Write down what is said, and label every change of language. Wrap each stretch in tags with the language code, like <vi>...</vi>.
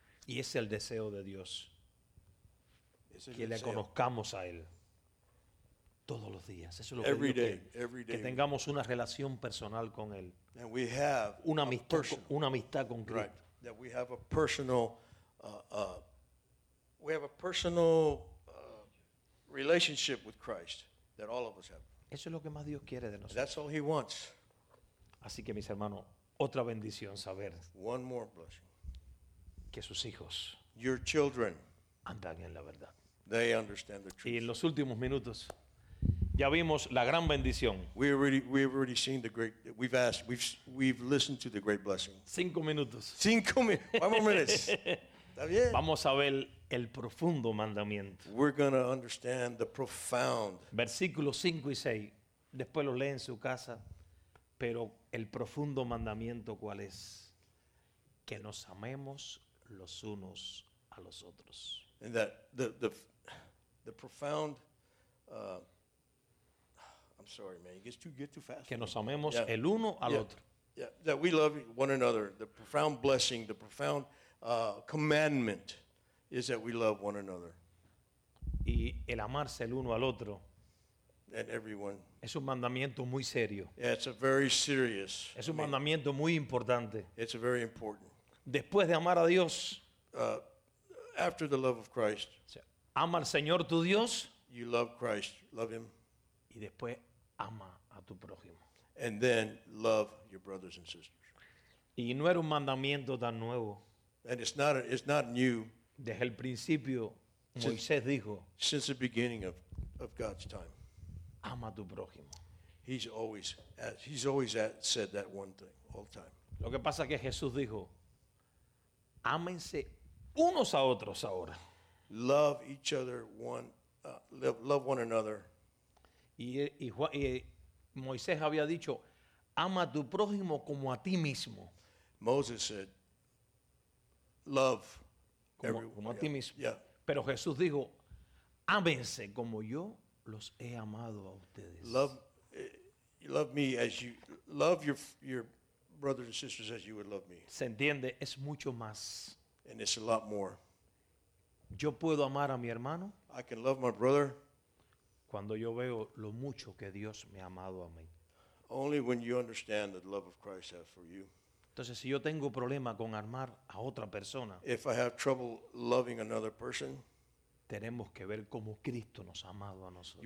<es>Y es el deseo de Dios. Que le conozcamos a él. Todos los días. Eso es lo</es> <en>every</en> <es>que</es> <en>day,</en> <es>que,</es> <en>every day.</en> <es>Que tengamos una relación personal con él.</es> <en>And we have</en> <es>una amistad, una amistad con Cristo.</es> <en>Right, that we have a personal, relationship with Christ that all of us have.</en> <es>Eso es lo que más Dios quiere de nosotros.</es> <en>That's all he wants.</en> <es>Así que mis hermanos, otra bendición saber.</es> <en>One more blessing.</en> <es>Que sus hijos.</es> <en>Your children.</en> <es>Andan en la verdad.</es> <en>They understand the truth.</en> <es>Y en los últimos minutos. Ya vimos la gran bendición.</es> <en>We've already seen the great. We've listened to the great blessing.</en> <es>Cinco minutos.</es> <en>Five more minutes.</en> <es>Está bien. Vamos a ver El profundo mandamiento.</es> <en>We're going to understand the profound.</en> <es>Versículos 5 y 6. Después lo lee en su casa. Pero el profundo mandamiento, ¿cuál es? Que nos amemos los unos a los otros.</es> <en>And that the profound, I'm sorry, man, you get too fast.</en> <es>Que nos amemos el uno al otro.</es> <en>Yeah, that we love one another. The profound blessing, the profound commandment is that we love one another.</en> <es>Y el amarse el uno al otro.</es> <en>And everyone.</en> <es>Es un mandamiento muy serio.</es> <en>Yeah, it's a very serious.</en> <es>Es un mandamiento muy importante.</es> <en>It's a very important.</en> <es>Después de amar a Dios.</es> <en>After the love of Christ.</en> <es>Ama al Señor tu Dios.</es> <en>You love Christ. Love him.</en> <es>Y después ama a tu prójimo.</es> <en>And then love your brothers and sisters.</en> <es>Y no era un mandamiento tan nuevo.</es> <en>And it's not new.</en> <es>Desde el principio, Moisés dijo.</es> <en>Since the beginning of God's time.</en> <es>Ama a tu prójimo.</es> <en>He's always said that one thing all the time.</en> <es>Lo que pasa es que Jesús dijo, ámense unos a otros ahora.</es> <en>Love each other love one another.</en> <es>Y Moisés había dicho, ama a tu prójimo como a ti mismo.</es> <en>Moses said, love</en> <es>como a ti mismo.</es> <en>Yeah.</en> <es>Pero Jesús dijo, ámense como yo los he amado a ustedes.</es> <en>Love me as you love your brothers and sisters as you would love me.</en> <es>Se entiende, es mucho más.</es> <en>And it's a lot more.</en> <es>Yo puedo amar a mi hermano.</es> <en>I can love my brother.</en> <es>Cuando yo veo lo mucho que Dios me ha amado a mí.</es> <en>Only when you understand the love of Christ has for you.</en> <es>Entonces, si yo tengo problema con amar a otra persona.</es> <en>If I have trouble loving another person.</en> <es>Tenemos que ver cómo Cristo nos ha amado a nosotros.</es>